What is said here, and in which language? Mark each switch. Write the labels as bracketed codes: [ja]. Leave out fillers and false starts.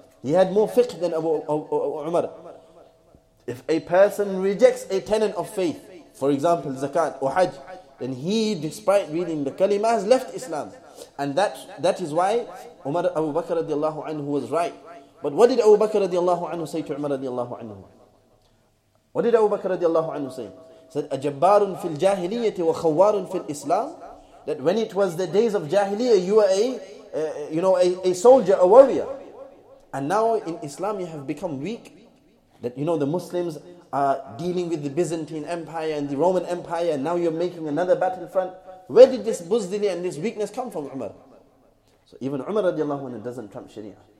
[en] He had more fiqh than Abu Umar. If a person rejects a tenet of faith, for example zakat or hajj, then he, despite reading the kalima, has left Islam. And that is why Umar Abu Bakr radiallahu anhu was right. But what did Abu Bakr radiallahu anhu say to Umar radiallahu anhu? What did Abu Bakr radiallahu anhu say? Said, [ar] أَجَبَّارٌ فِي الْجَاهِلِيَّةِ وَخَوَّارٌ فِي الْإِسْلَامِ. [en] That when it was the days of Jahiliyyah, you were a soldier, a warrior. And now in Islam you have become weak. That, you know, the Muslims are dealing with the Byzantine Empire and the Roman Empire, and now you're making another battlefront. Where did this buzdili and this weakness come from, Umar? So even Umar radiallahu anhu doesn't trump Sharia.